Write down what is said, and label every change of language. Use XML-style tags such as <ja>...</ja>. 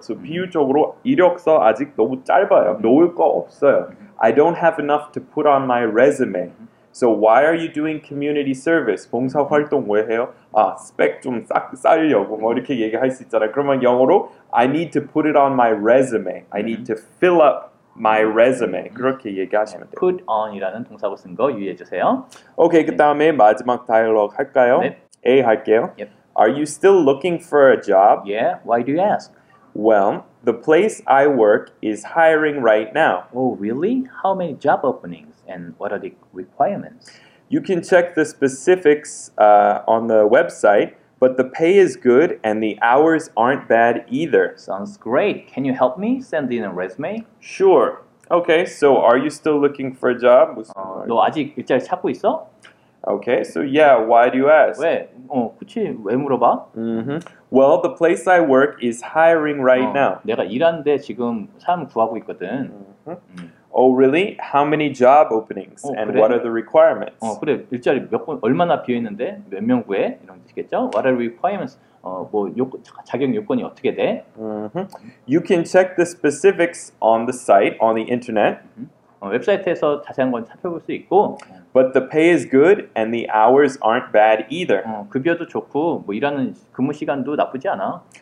<ko>So 비유적으로 이력서 아직 너무 짧아요. 놓을 거 없어요.</ko> <en>I don't have enough to put on my resume. So why are you doing community service?</en> <ko>봉사활동 왜 해요? 아, 스펙 좀 쌓으려고 뭐 이렇게 얘기할 수 있잖아요. 그러면 영어로</ko> <en>I need to put it on my resume. I need to fill up my resume.</en> <ko>그렇게 얘기하시면 돼요. Put on이라는 동사고 쓴 거 유의해 주세요. 오케이, 그 다음에 마지막 다이얼로그 할까요? 네. A 할게요.</ko> <en>Yep. Are you still looking for a job? Yeah, why do you ask? Well, the place I work is hiring right now. Oh, really? How many job openings and what are the requirements? You can check the specifics on the website, but the pay is good and the hours aren't bad either. Sounds great. Can you help me send in a resume? Sure. Okay, so are you still looking for a job?</en> <ko>너 아직 일자리 찾고 있어?</ko> <en>Okay, so yeah, why do you ask?</en> <ko>왜? 어, 그치, 왜 물어봐?</ko> <en>Well, the place I work is hiring right now.</en> <ko>내가 일하는데 지금 사람 구하고 있거든.</ko> <en>Oh, really? How many job openings?</en> <ko>어, and 그래?</ko> <en>What are the requirements?</en> <ko>어, 그래, 일자리 몇 번, 얼마나 비어있는데? 몇 명 구해? 이런 뜻이겠죠?</ko> <en>What are the requirements?</en> <ko>어, 뭐 자격 요건이 어떻게 돼?</ko> <en>You can check the specifics on the site, on the internet.</en> <ko>어, 웹사이트에서 자세한 건 살펴볼 수 있고.</ko> <en>But the pay is good and the hours aren't bad either.</en> <ko>어, 급여도 좋고 뭐 일하는 근무 시간도 나쁘지 않아.</ko>